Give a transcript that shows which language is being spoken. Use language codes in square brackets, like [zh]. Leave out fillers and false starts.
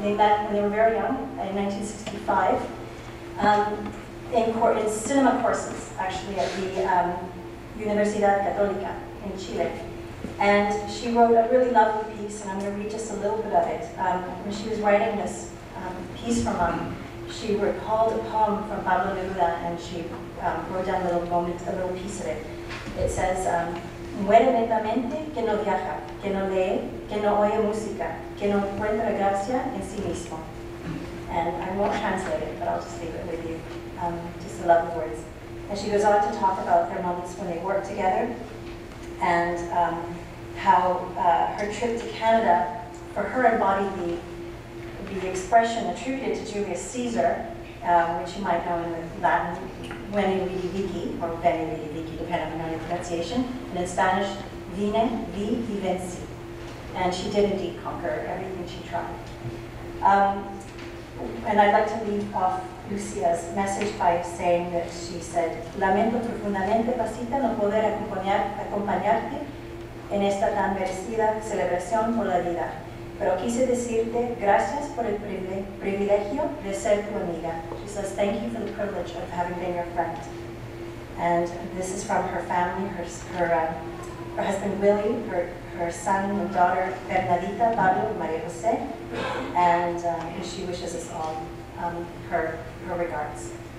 [en] They met when they were very young, in 1965, in cinema courses, actually, at the Universidad Católica in Chile. And she wrote a really lovely piece, and I'm going to read just a little bit of it. When she was writing this piece for mom, she recalled a poem from Pablo Neruda, and she wrote down a little piece of it. It says, [es] muere lentamente que no viaja, que no lee, que no oye música, que no encuentra gracia en sí mismo. [en] And I won't translate it, but I'll just leave it with you. Just the love of words. And she goes on to talk about their moments when they worked together, and how her trip to Canada, for her, embodied the expression attributed to Julius Caesar, which you might know in the Latin, veni vidi vici, or veni vidi vici, depending on your pronunciation, and in Spanish, vine vidi vici. And she did indeed conquer everything she tried. And I'd like to leave off Lucia's message by saying that she said, [es] lamento profundamente, Pasita, no poder acompañarte en esta tan merecida celebración por la vida. Pero quise decirte gracias por el privilegio de ser tu amiga. [en] She says, thank you for the privilege of having been your friend. And this is from her family, her husband Willie, her son and daughter Bernadita, Pablo, and Maria Jose. And she wishes us all her regards.